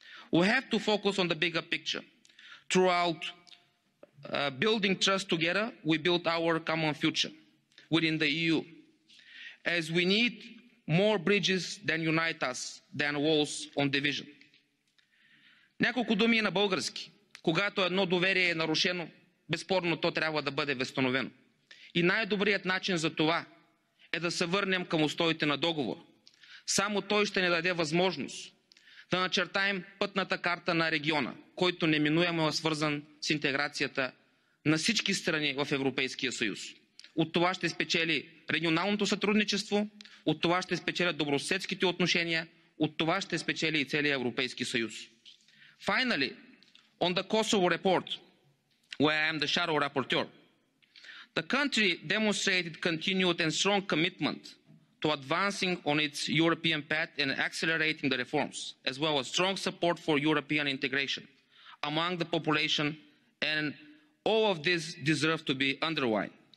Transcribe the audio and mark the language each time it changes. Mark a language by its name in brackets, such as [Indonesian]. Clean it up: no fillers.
[English] We have to focus on the bigger picture. Throughout building trust together, we build our common future within the EU, as we need more bridges than unite us, than walls on division. [Bulgarian] Няколко думи на български. Когато едно доверие е нарушено, безспорно то трябва да бъде възстановено. И най-добрият начин за това е да се върнем към устоите на договор. Само той ще ни даде възможност да начертаем пътната карта на региона, който неминуемо е свързан с интеграцията на всички страни в Европейския съюз. От това ще спечели регионалното сътрудничество, от това ще спечелят добросъседските отношения, от това ще спечели и целият Европейски съюз. [English] Finally, on the Kosovo report, where I am the shadow rapporteur, the country demonstrated continued and strong commitment to advancing on its European path and accelerating the reforms, as well as strong support for European integration among the population, and all of this deserves to be underlined.